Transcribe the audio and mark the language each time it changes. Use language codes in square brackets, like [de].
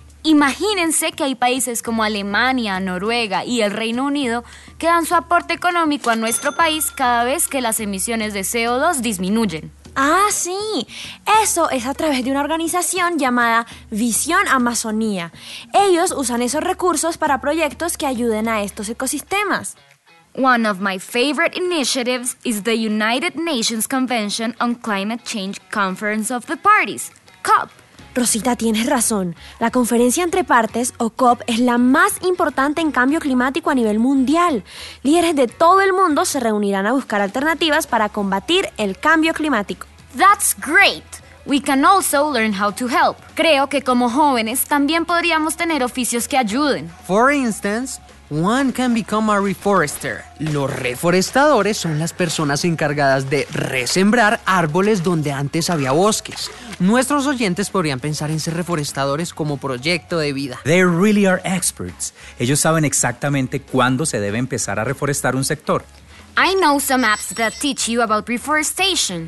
[es] Imagínense que hay países como Alemania, Noruega y el Reino Unido que dan su aporte económico a nuestro país cada vez que las emisiones de CO2 disminuyen. ¡Ah, sí! Eso es a través de una organización llamada Visión Amazonía. Ellos usan esos recursos para proyectos que ayuden a estos ecosistemas. [en] One of my favorite initiatives is the United Nations Convention on Climate Change Conference of the Parties, COP. [es] Rosita, tienes razón. La Conferencia Entre Partes, o COP, es la más importante en cambio climático a nivel mundial. Líderes de todo el mundo se reunirán a buscar alternativas para combatir el cambio climático. [en] That's great. We can also learn how to help. [es] Creo que como jóvenes también podríamos tener oficios que ayuden. [en] For instance, one can become a reforester. [es] Los reforestadores son las personas encargadas de resembrar árboles donde antes había bosques. Nuestros oyentes podrían pensar en ser reforestadores como proyecto de vida. [en] They really are experts. [es] Ellos saben exactamente cuándo se debe empezar a reforestar un sector. [en] I know some apps that teach you about reforestation.